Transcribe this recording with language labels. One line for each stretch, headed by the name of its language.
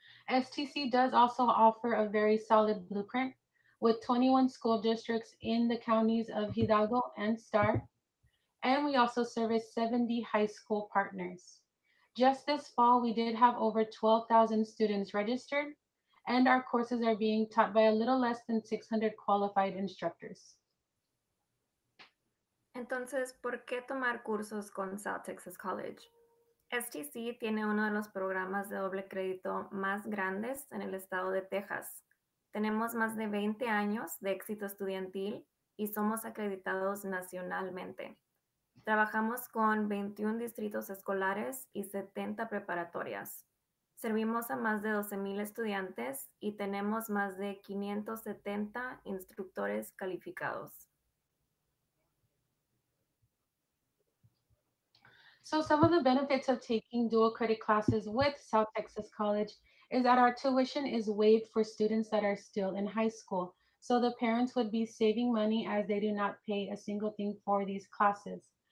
English: STC does also offer a very solid blueprint with 21 school districts in the counties of Hidalgo and Starr. And we also service 70 high school partners. Just this fall, we did have over 12,000 students registered, and our courses are being taught by a little less than 600 qualified instructors.
Spanish: Entonces, ¿por qué tomar cursos con South Texas College? STC tiene uno de los programas de doble crédito más grandes en el estado de Texas. Tenemos más de 20 años de éxito estudiantil y somos acreditados nacionalmente. Trabajamos con 21 distritos escolares y 70 preparatorias. Servimos a más de 12,000 estudiantes y tenemos más de 570 instructores calificados.
English: So some of the benefits of taking dual credit classes with South Texas College is that our tuition is waived for students that are still in high school. So the parents would be saving money as they do not pay a single thing for these classes.